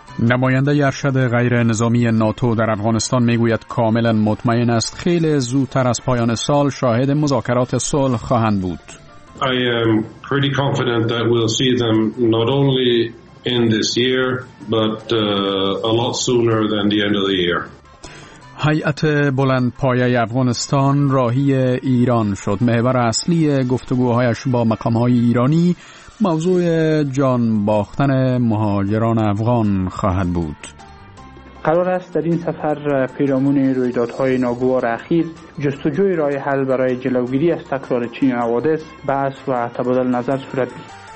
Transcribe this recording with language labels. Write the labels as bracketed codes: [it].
[fa] نماینده ارشد غیر نظامی ناتو در افغانستان میگوید کاملا مطمئن است خیلی زودتر از پایان سال شاهد مذاکرات صلح خواهند بود. [en] I am pretty confident that we'll see them not only in this year but a lot sooner than the end of the year. [fa] هیئت بلند پایه افغانستان راهی ایران شد. محور اصلی گفتگوهایش با مقام‌های ایرانی موضوع جان باختن مهاجران افغان خواهد بود. قرار است در این سفر پیرامون رویدادهای ناگوار اخیر جستجوی راه حل برای جلوگیری از تکرار چنین حوادث بحث و تبادل نظر صورت بگیرد.